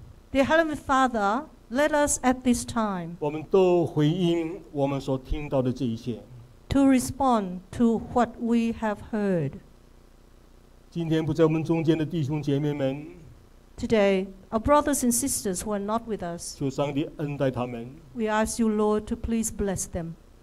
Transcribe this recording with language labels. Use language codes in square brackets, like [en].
[en] Dear Heavenly Father, let us at this time [zh] 我们都回应我们所听到的这一切, [en] to respond to what we have heard. [zh] 今天不在我们中间的弟兄姐妹们, [en] today, our brothers and sisters who are not with us, [zh] 求上帝恩待他们, [en] we ask you, Lord, to please bless them.